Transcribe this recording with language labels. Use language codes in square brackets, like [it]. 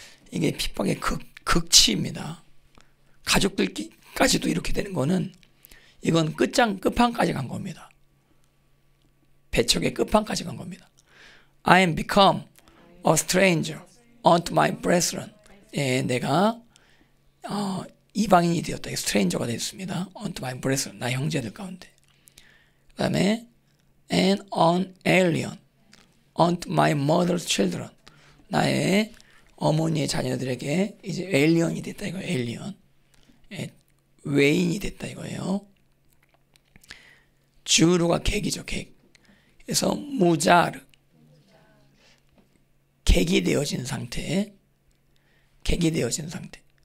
[ko] 이게 핍박의 극치입니다. 가족들까지도 이렇게 되는 거는 이건 끝장 끝판까지 간 겁니다. 배척의 끝판까지 간 겁니다. [en] I am become a stranger unto my brethren. [ko] 예, 내가 이방인이 되었다. 예, stranger가 됐습니다. [en] unto my brethren. [ko] 나 형제들 가운데. 그 다음에 [en] and an alien unto my mother's children. [ko] 나의 어머니의 자녀들에게 이제 alien이 됐다 이거예요. [en] alien. [ko] 예, 외인이 됐다 이거예요. 주루가 객이죠. 객. 그래서 무자르, 객이 되어진 상태, 객이 되어진 상태.